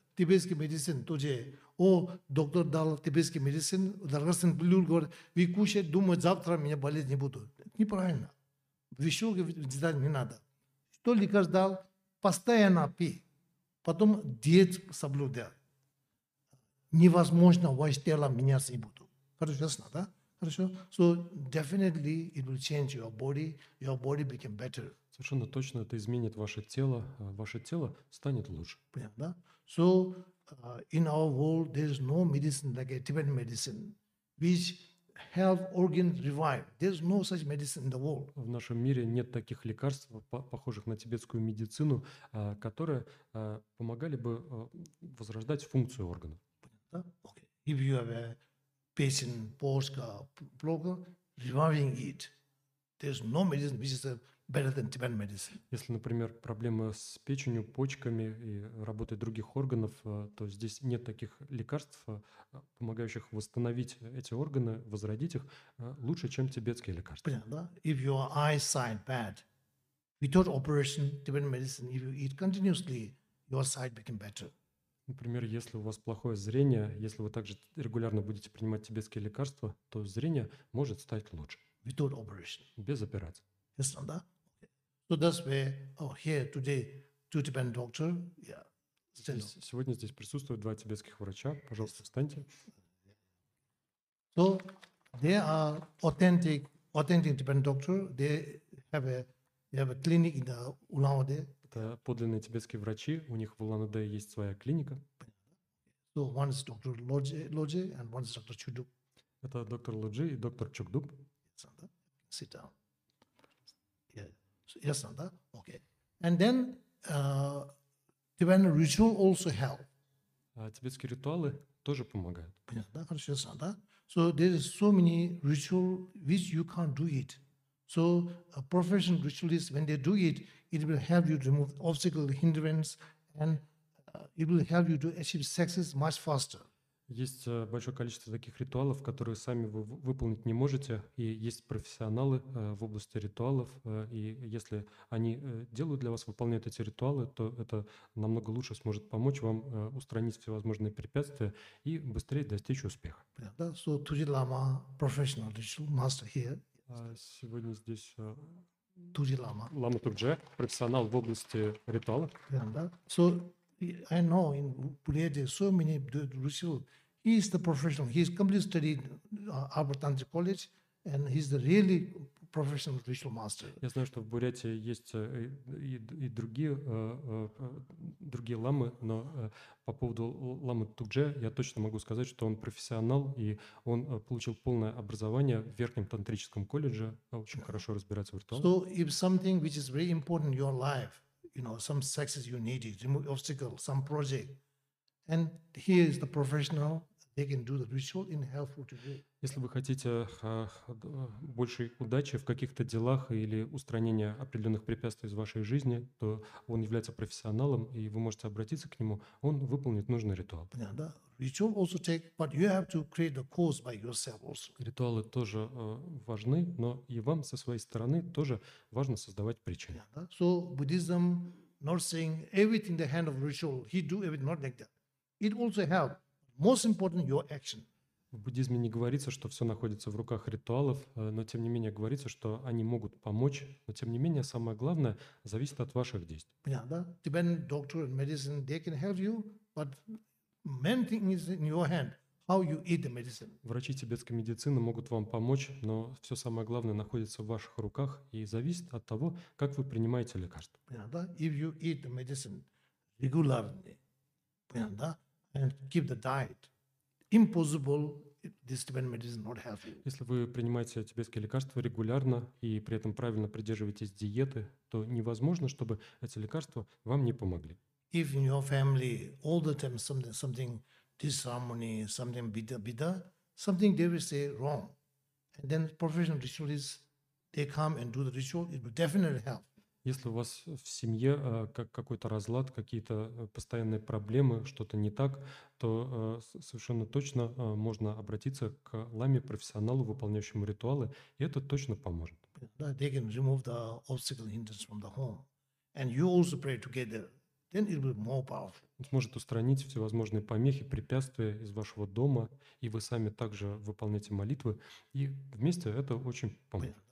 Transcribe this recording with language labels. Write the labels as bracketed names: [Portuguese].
[Russian] Тибетский медицин, тот же, о, доктор дал тибетский медицин, дорогой блюр, говорит, вы кушаете, думаете, завтра меня болеть не буду. Неправильно. Вещевых деталей не надо. Что лекарь дал? Постоянно пей. Потом диет соблюдал. Невозможно ваше тело меняться не буду. Хорошо, ясно, да? Хорошо? [English] So, definitely it will change your body became better. [Russian] Совершенно точно это изменит ваше тело станет лучше. Понятно, да? [English] So, in our world, there is no medicine like a Tibetan medicine, which helps organs revive. There is no such medicine in the world. [Russian] В нашем мире нет таких лекарств, похожих на тибетскую медицину, которые помогали бы возрождать функцию органов. Понятно, okay. [English] If you have a patient, Polska, Polka, reviving it, there is no medicine which is a better than Tibetan medicine. [Russian] Если, например, проблемы с печенью, почками и работой других органов, то здесь нет таких лекарств, помогающих восстановить эти органы, возродить их, лучше, чем тибетские лекарства. Понятно, да? [English] If your eyesight bad, without operation, Tibetan medicine, if you eat continuously, your sight became better. [Russian] Например, если у вас плохое зрение, если вы также регулярно будете принимать тибетские лекарства, то зрение может стать лучше. [English] Without operation. [Russian] Без операции. [English] Yes, no, da. So that's where, oh, here today, two Tibetan doctors, yeah. [Russian] Здесь, сегодня здесь присутствуют два тибетских врача. Пожалуйста, yes. Встаньте. [English] So they are authentic Tibetan doctor. They have a clinic in the Ulaanbaatar. [Russian] Это подлинные тибетские врачи. У них в Улан-Удэ есть своя клиника. [English] So one is Dr. Lodge and one is Dr. Chukdub. [Russian] Это доктор Лоджи и доктор Чукдуб. [English] Yes, no, da. Sit down. Yes, not that. Okay. And then Tibetan ritual also help. [Russian] Тибетские ритуалы тоже помогают. Понятно, да? Хорошо, ясно, да? [English] So there is so many ritual which you can't do it. So a professional ritualist, when they do it, it will help you to remove obstacle, hindrance, and it will help you to achieve success much faster. [Russian] Есть большое количество таких ритуалов, которые сами вы выполнить не можете, и есть профессионалы в области ритуалов, и если они делают для вас, выполняют эти ритуалы, то это намного лучше сможет помочь вам устранить всевозможные препятствия и быстрее достичь успеха. [English] Да, so Тузи Лама, professional digital master here. [Russian] Сегодня здесь Тузи Лама. Лама Турджи, профессионал в области ритуалов. [English] Да, so I know in Buryatia so many Rusyul. He is the professional. He's completely studied Harvard Tantric College, and he's the really professional ritual master. [Russian] Я знаю, что в Бурятии есть и другие ламы, но по поводу ламы Тукдже я точно могу сказать, что он профессионал и он получил полное образование в Верхнем тантрическом колледже, очень хорошо разбирается в ритуалах. [English] So if something which is very important in your life. You know, some success you needed, remove obstacle, some project, and here is the professional. They can do the ritual in helpful to you. [Russian] Если вы хотите большей удачи в каких-то делах или устранения определенных препятствий из вашей жизни, то он является профессионалом, и вы можете обратиться к нему. Он выполнит нужный ритуал. [English] Да, ritual also take, but you have to create the cause by yourself also. [Russian] Ритуалы тоже важны, но и вам со своей стороны тоже важно создавать причины. [English] Да, so Buddhism, not saying everything the hand of ritual, he do everything not like that. It also help. Most important your action. [Russian] В буддизме не говорится, что все находится в руках ритуалов, но тем не менее говорится, что они могут помочь. Но тем не менее, самое главное зависит от ваших действий. Yeah, да. [English] Depend on doctor and medicine, they can help you, but main thing is in your hand, how you eat the medicine. [Russian] Врачи тибетской медицины могут вам помочь, но все самое главное находится в ваших руках и зависит от того, как вы принимаете лекарства. Yeah, да. [English] If you eat the medicine regularly, yeah, да. And keep the diet. Impossible, this Tibetan medicine is not healthy. [Russian] Если вы принимаете тибетские лекарства регулярно и при этом правильно придерживаетесь диеты, то невозможно, чтобы эти лекарства вам не помогли. [English] If in your family all the time something disharmony, something bitter, something they will say wrong, and then professional ritualists they come and do the ritual, it will definitely help. [Russian] Если у вас в семье какой-то разлад, какие-то постоянные проблемы, что-то не так, то совершенно точно можно обратиться к ламе-профессионалу, выполняющему ритуалы, и это точно поможет. [English] Да, they can remove the obstacle hindrance from the home. And you also pray together. Then it will be more powerful. [Russian] Он сможет устранить всевозможные помехи, препятствия из вашего дома, и вы сами также выполняете молитвы, и вместе это очень поможет.